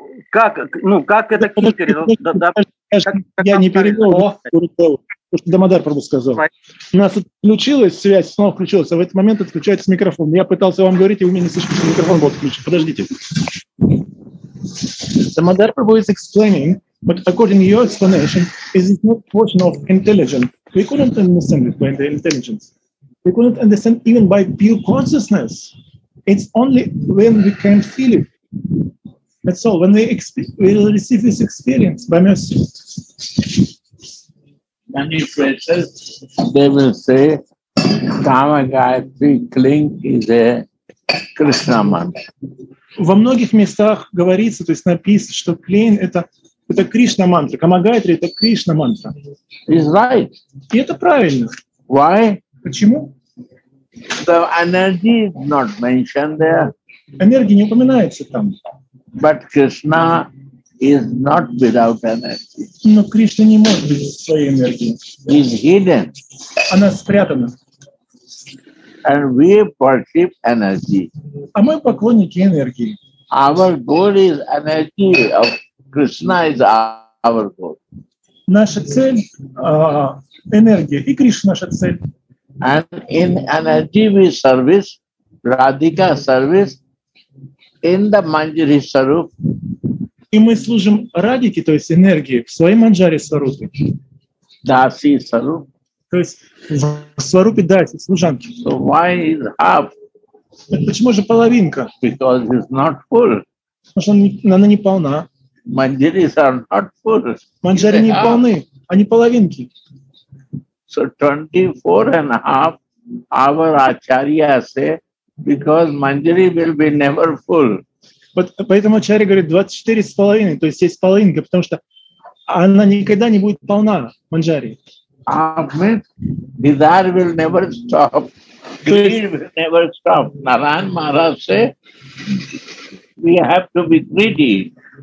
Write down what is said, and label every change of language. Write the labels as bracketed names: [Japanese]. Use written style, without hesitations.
[Russian] Как это Кинкари? Я не перевел, потому что Дамодар просто сказал. У нас отключилась связь, снова включилась, а в этот момент отключается микрофон. Я пытался вам говорить, и у меня не слышно, что микрофон был отключен. Подождите. Дамодар пробует explaining. [English] But according to your explanation, is it not a portion of intelligence? We couldn't understand it by the intelligence. We couldn't understand even by pure consciousness. It's only when we can feel it. That's all. When we receive this experience by mercy. Many places, they will say, Kama Gayatri Kling is a Krishna mantra. [Russian] Во многих местах говорится, то есть написано, что Kling – это... Это Кришна мантра. Камагайтри это Кришна мантра. [English] Is right. [Russian] И это правильно. [English] Why? [Russian] Почему? [English] The energy is not mentioned there. [Russian] Энергии не упоминается там. [English] But Krishna is not without energy. [Russian] Но Кришна не может без своей энергии. [English] Is hidden. [Russian] Она спрятана. [English] And we worship energy. [Russian] А мы поклонники энергии. [English] Our goal is energy of Krishna is our goal. [Russian] Наша цель энергия и Кришна наша цель. [English] And in energy we service Radhika service in the Manjari Swarup. [Russian] И мы служим Радике, то есть энергии в своей Манджари Сварупе. Даси Сварупе. То есть в сварупе дати, служанки. [English] So why is half? [Russian] Почему же половинка? [English] Because it's not full. [Russian] Потому что она не полна. [English] Манджарис are not full. [Russian] Манджари не полны, они половинки. [English] So 24 and a half our acharya say because manjari will be never full. [Russian] Вот поэтому ачарьи говорит 24 с половиной, то есть есть половинка, потому что она никогда не будет полна манджари. [English] Half means desire will never stop. Greed will never stop. Наран Махарадж say we have to be greedy.